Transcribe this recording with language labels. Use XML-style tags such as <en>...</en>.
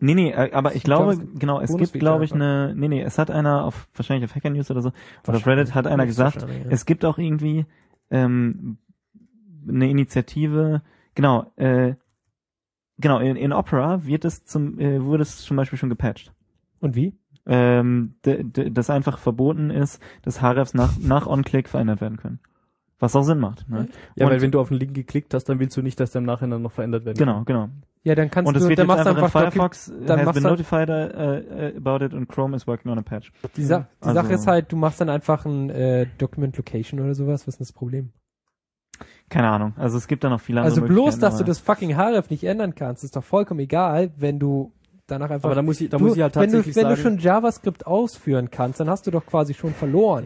<de>Nee, aber ich glaube, es hat einer auf Hacker News oder so, oder auf Reddit hat einer gesagt, es gibt auch irgendwie eine Initiative, in Opera wurde es zum Beispiel schon gepatcht. Und wie? Dass einfach verboten ist, dass HRFs nach On-Click verändert werden können. Was auch Sinn macht. Ne? Ja, weil wenn du auf den Link geklickt hast, dann willst du nicht, dass der im Nachhinein noch verändert werden kann. Genau. Ja, dann kannst und du... Und es wird dann jetzt einfach in</de> <en>Firefox</en> <de>dann</de> <en>has been notified about it and Chrome is working on a patch.</en> <de>Die Sache ist halt, du machst dann einfach ein Document Location oder sowas. Was ist das Problem? Keine Ahnung. Also es gibt da noch viele andere Möglichkeiten. Also bloß, dass du das fucking HRF nicht ändern kannst, ist doch vollkommen egal, wenn du danach einfach... Aber da muss ich halt tatsächlich sagen... Wenn du schon JavaScript ausführen kannst, dann hast du doch quasi schon verloren.</de>